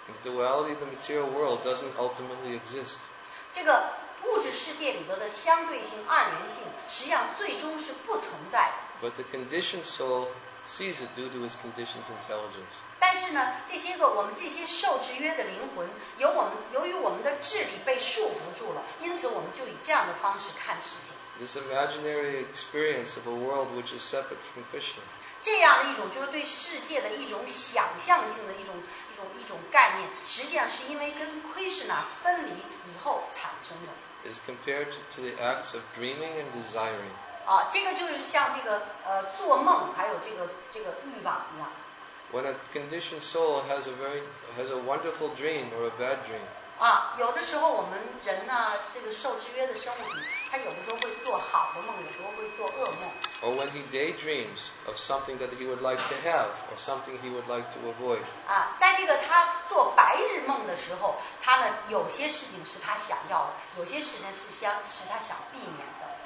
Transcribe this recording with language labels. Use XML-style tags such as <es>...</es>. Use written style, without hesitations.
<en>The duality of the material world doesn't ultimately exist.</en> <zh>这个物质世界里头的相对性、二元性，实际上最终是不存在。</zh> <en>But the conditioned soul sees it due to his conditioned intelligence.</en> <zh>但是呢，这些个我们这些受制约的灵魂，由于我们的智力被束缚住了，因此我们就以这样的方式看事情。</zh> <en>This imaginary experience of a world which is separate from Krishna.</en> <zh>这样的一种就是对世界的一种想象性的一种概念，实际上是因为跟 Krishna 分离以后产生的。</zh> <en>Is compared to the acts of dreaming and desiring.</en> <zh>啊，这个就是像这个做梦，还有这个欲望一样。</zh> <en>When a conditioned soul has a wonderful dream or a bad dream.</en> <zh>啊，有的时候我们人呢，这个受制约的生物体，他有的时候会做好的梦，有时候会做噩梦。</zh> <en>Or when he daydreams of something that he would like to have or something he would like to avoid.</en> <zh>啊，在这个他做白日梦的时候，他呢有些事情是他想要的，有些事情是他想避免的。</zh>